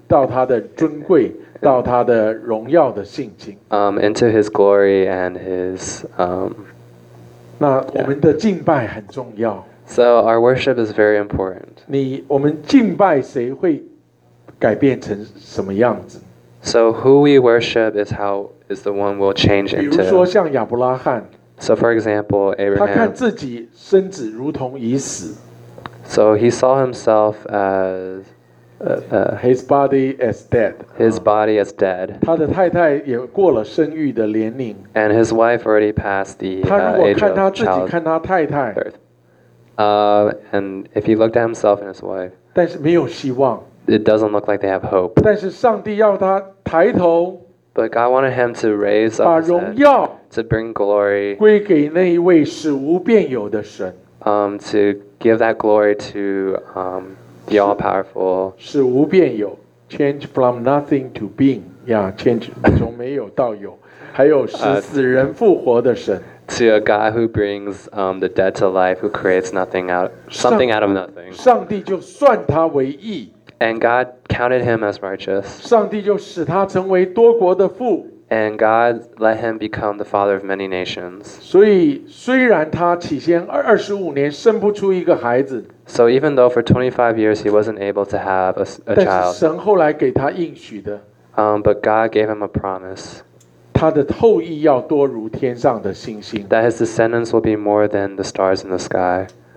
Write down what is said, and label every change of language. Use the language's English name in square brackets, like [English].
[Chinese] 到他的尊贵，到他的荣耀的性情。 [English] Into his glory and his [Chinese] 那我们的敬拜很重要。 [English] So our worship is very important. [Chinese] 你我们敬拜谁会改变成什么样子？ [English] So who we worship is how is the one will change into. [Chinese] 比如说像亚伯拉罕。 [English] So for example, Abraham. [Chinese] 他看自己身子如同已死。 [English] So he saw himself as His body is dead. His body is dead. [Chinese] 他的太太也过了生育的年龄。 [English] And his wife already passed the age of childbirth. And if he looked at himself and his wife, [Chinese] 但是没有希望。 [English] It doesn't look like they have hope. [Chinese] 但是上帝要他抬头。 [English] But God wanted him to raise up his head to bring glory [Chinese] 归给那一位使无变有的神 [English] to give that glory to the all-powerful [Chinese] 使无变有 [English] change from nothing to being yeah, change [Chinese] 从没有到有还有使死人复活的神 [English] to a God who brings the dead to life who creates nothing out, something out of nothing [Chinese] 上帝就算他为义 [English] And God counted him as righteous. [Chinese] 上帝就使他成为多国的父。 [English] And God let him become the father of many nations. [Chinese] 所以虽然他起先25年生不出一个孩子。 [English] So even though for 25 years he wasn't able to have a child. [Chinese] 但是神后来给他应许的。 [English] But God gave him a promise. [Chinese] 他的后裔要多如天上的星星。 [English] That his descendants will be more than the stars in the sky.